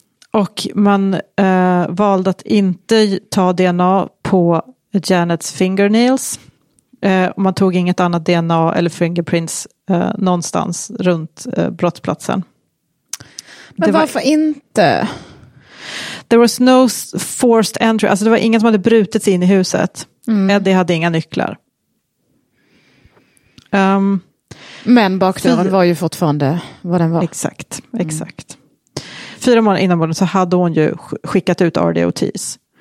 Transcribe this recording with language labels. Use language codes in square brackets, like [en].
[sv] Och man valde att inte ta DNA på Janets fingernails. Man tog inget annat DNA eller fingerprints någonstans runt brottsplatsen. Men varför inte? [en] There was no forced entry. [sv] Alltså det var ingen som hade brutits in i huset. Eddie hade inga nycklar. Men bakdörren var ju fortfarande vad den var. Exakt, exakt. 4 månader innan morgonen så hade hon ju skickat ut RD Ortiz.